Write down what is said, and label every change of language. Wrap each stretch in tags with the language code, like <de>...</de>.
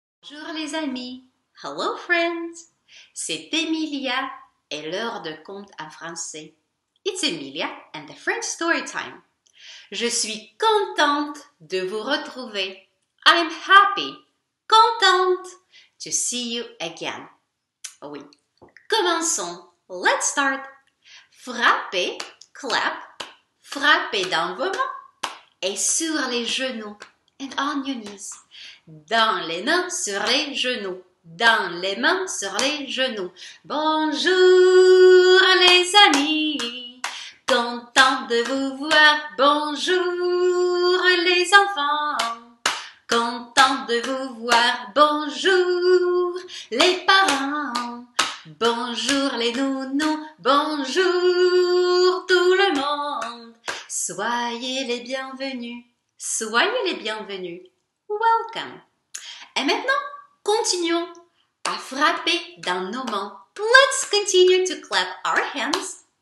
<fr>Bonjour les amis,</fr> <en>hello friends,</en> <fr>c'est Emilia et l'heure de conte en français.</fr> <en>It's Emilia and the French Storytime.</en> <fr>Je suis contente de vous retrouver.</fr> <en>I'm happy, contente to see you again.</en> <fr>Oui, commençons,</fr> <en>let's start.</en> <fr>Frappez, clap, frappez dans vos mains et sur les genoux.</fr> <en>And on your knees.</en> <fr>Dans les mains, sur les genoux. Dans les mains, sur les genoux. Bonjour les amis. Content de vous voir. Bonjour les enfants. Content de vous voir. Bonjour les parents. Bonjour les nounous. Bonjour tout le monde. Soyez les bienvenus. Soyez les bienvenus. Welcome. Et maintenant, continuons à frapper dans nos mains.</fr> <en>Let's continue to clap our hands.</en>